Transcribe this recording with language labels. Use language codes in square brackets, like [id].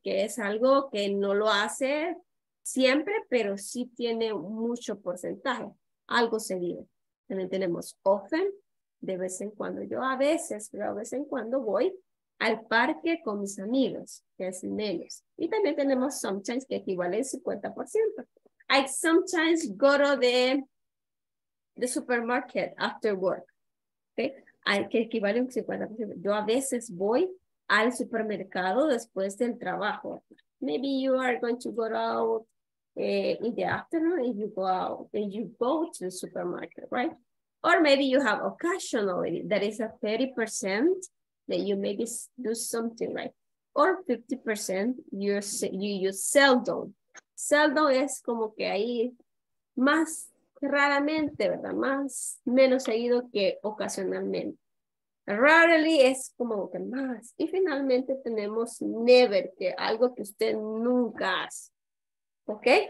[es] Que es algo que no lo hace siempre, pero sí tiene mucho porcentaje. Algo se vive. También tenemos often, de vez en cuando. Yo a veces, pero a veces en cuando voy al parque con mis amigos, que es menos. Y también tenemos sometimes, que equivale al 50%. [en] I sometimes go to the supermarket after work. [es] ¿Okay? Que equivale a un 50%. Yo a veces voy al supermercado después del trabajo. [en] Maybe you are going to go out in the afternoon and you go out and you go to the supermarket, right? Or maybe you have occasionally, that is a 30% that you maybe do something, right? Or 50% you seldom. [es] Seldom es como que ahí más raramente, ¿verdad? Más, menos seguido que ocasionalmente. Rarely es como que más. Y finalmente tenemos never, que algo que usted nunca hace. ¿Ok?